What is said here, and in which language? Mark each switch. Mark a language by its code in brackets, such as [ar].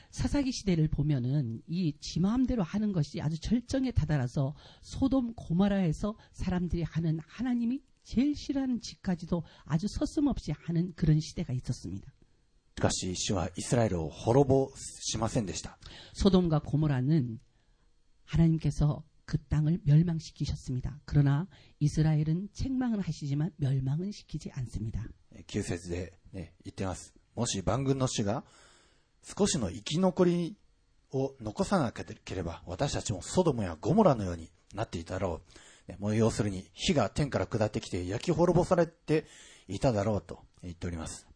[ko] ササギ時代を보면은이지마음대로하는것이아주절정에다다라서소돔고모라에서사람들이하는하나님이제일싫어하는짓까지도아주서슴없이하는그런시대가있었습니다 [ja] しかし主はイスラエルを滅ぼしませんでした。 [ko] 소돔과고모라는하나님께서그땅을멸망시키셨습니다그러나이스라엘은책망은하시지만멸망은시키지않습니다 9절에이때말씀 [ja] もし万軍の主が少しの生き残りを残さなければ私たちもソドムやゴモラのようになっていたろう、ね、もう要するに火が天から下ってきて焼き滅ぼされていただろうと言っております。